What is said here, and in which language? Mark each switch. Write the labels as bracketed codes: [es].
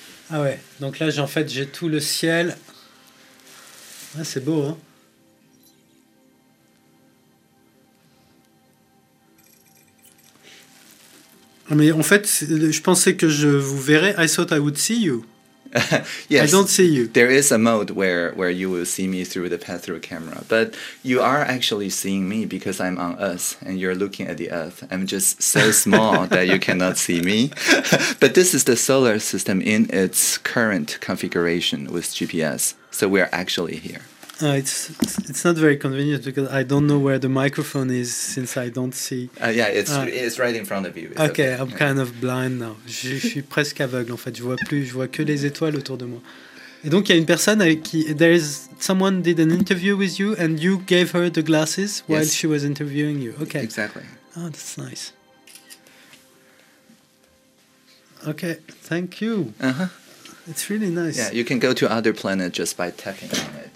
[fr] Ah ouais, donc là en fait j'ai tout le ciel. Ah, c'est beau, hein? Mais en fait, je pensais que je vous verrais. [en] I thought I would see you. Yes, I don't see you. There is a mode where you will see me through the pass-through camera. But you are actually seeing me because I'm on Earth and you're looking at the Earth. I'm just so small that you cannot see me. But this is the solar system in its current configuration with GPS. So we're actually here. It's not very convenient because I don't know where the microphone is since I don't see. It's right in front of you. Okay, I'm kind of blind now. [fr] Je suis presque aveugle en fait. Je vois que les étoiles autour de moi. Et donc il y a une personne avec qui [en] there is someone did an interview with you and you gave her the glasses while she was interviewing you. Okay. Exactly. Oh, that's nice. Okay, thank you. It's really nice. Yeah, you can go to other planet just by tapping on it.